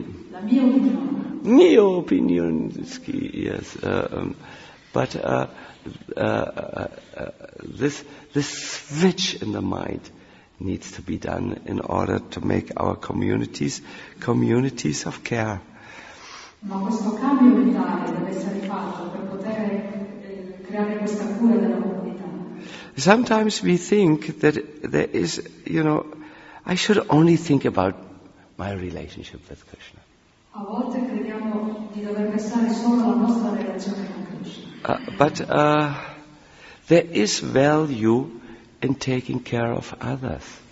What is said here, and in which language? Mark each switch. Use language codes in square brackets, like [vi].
[en] My opinion. Yes. This switch in the mind needs to be done in order to make our communities of care. [it] Ma questo cambio mentale deve essere fatto per poter creare questa cura della comunità. [en] Sometimes we think that there is, you know, I should only think about my relationship with Krishna. [it] A volte crediamo di dover pensare solo alla nostra relazione con Krishna. [en] There is value in taking care of others.